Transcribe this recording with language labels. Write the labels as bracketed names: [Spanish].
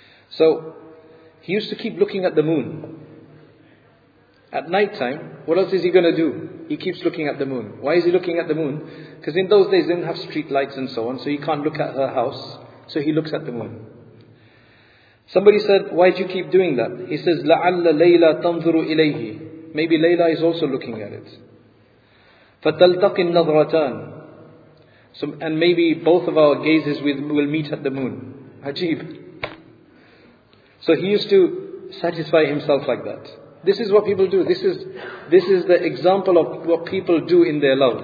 [English] So he used to keep looking at the moon. At night time, what else is he going to do? He keeps looking at the moon. Why is he looking at the moon? Because in those days they didn't have street lights and so on, so he can't look at her house. So he looks at the moon. Somebody said, why do you keep doing that? He says, [Arabic] لَعَلَّ لَيْلَى تَنْظُرُ إِلَيْهِ. [English] Maybe Layla is also looking at it. [Arabic] فَتَلْتَقِ النَّظْرَتَانِ. [English] So, and maybe both of our gazes will meet at the moon. Ajib. So he used to satisfy himself like that. This is what people do. This is the example of what people do in their love.